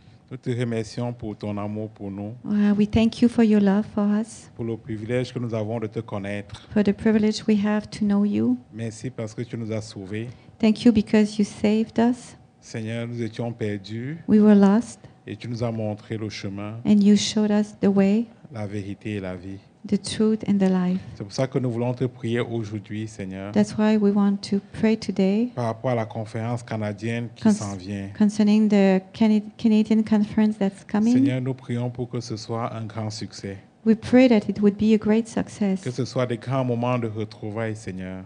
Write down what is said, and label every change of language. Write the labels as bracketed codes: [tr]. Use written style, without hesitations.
[fr] Nous te remercions pour ton amour pour nous. [en] We thank you for your love for us. [fr] Pour le privilège que nous avons de te connaître. [en] For the privilege we have to know you. [fr] Merci parce que tu nous as sauvés. [en] Thank you because you saved us. [fr] Seigneur, nous étions perdus. [en] We were lost. [fr] Et tu nous as montré le chemin. [en] And you showed us the way. [fr] La vérité et la vie. [en] The truth and the life. [fr] C'est pour ça que nous voulons te prier aujourd'hui, Seigneur. [en] That's why we want to pray today. [fr] Par rapport à la conférence canadienne qui s'en vient. [en] Concerning the Canadian conference that's coming. [fr] Seigneur, nous prions pour que ce soit un grand succès. [en] We pray that it would be a great success. [fr] Que ce soit des grands moments de retrouvailles, Seigneur.